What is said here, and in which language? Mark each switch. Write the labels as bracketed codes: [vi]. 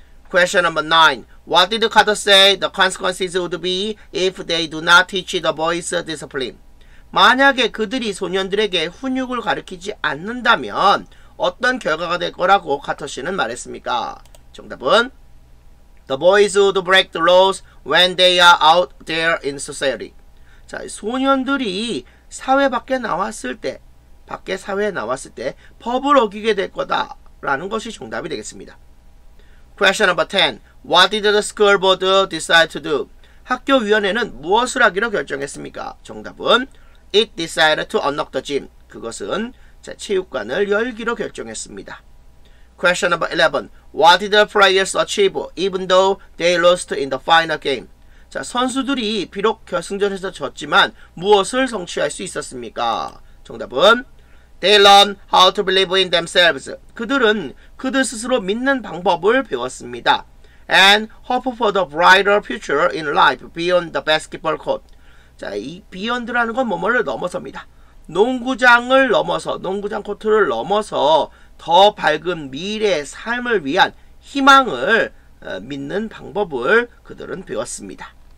[en] Question number 9. What did Carter say the consequences would be if they do not teach the boys discipline? [ko] 만약에 그들이 소년들에게 훈육을 가르치지 않는다면 어떤 결과가 될 거라고 카터 씨는 말했습니까? 정답은 [en] The boys would break the laws when they are out there in society. [ko] 자, 소년들이 사회 밖에 나왔을 때, 밖에 사회에 나왔을 때 법을 어기게 될 거다라는 것이 정답이 되겠습니다. [en] Question number 10. What did the school board decide to do? [ko] 학교 위원회는 무엇을 하기로 결정했습니까? 정답은 [en] It decided to unlock the gym. [ko] 그것은 자, 체육관을 열기로 결정했습니다. [en] Question number 11. What did the players achieve even though they lost in the final game? [ko] 자, 선수들이 비록 결승전에서 졌지만 무엇을 성취할 수 있었습니까? 정답은 [en] They learn how to believe in themselves. [ko] 그들은 그들 스스로 믿는 방법을 배웠습니다. [en] And hope for the brighter future in life beyond the basketball court. [ko] 자, 이 beyond라는 건 뭐뭐를 넘어섭니다. 농구장을 넘어서, 농구장 코트를 넘어서 더 밝은 미래의 삶을 위한 희망을 믿는 방법을 그들은 배웠습니다.